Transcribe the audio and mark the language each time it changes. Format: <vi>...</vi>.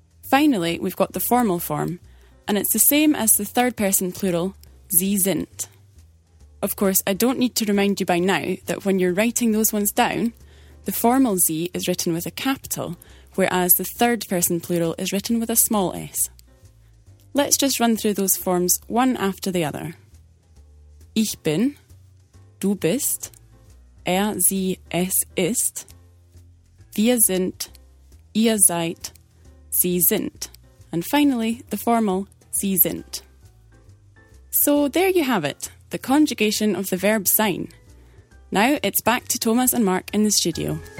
<en>Finally, we've got the formal form, and it's the same as the third person plural, sie sind. Of course, I don't need to remind you by now that when you're writing those ones down, the formal Z is written with a capital, whereas the third person plural is written with a small s. Let's just run through those forms one after the other.</en> <de>Ich bin, du bist, sie, es ist, wir sind, ihr seid, sie sind.</de> <en>And finally, the formal, sie sind. So there you have it, the conjugation of the verb sein. Now it's back to Thomas and Mark in the studio.</en>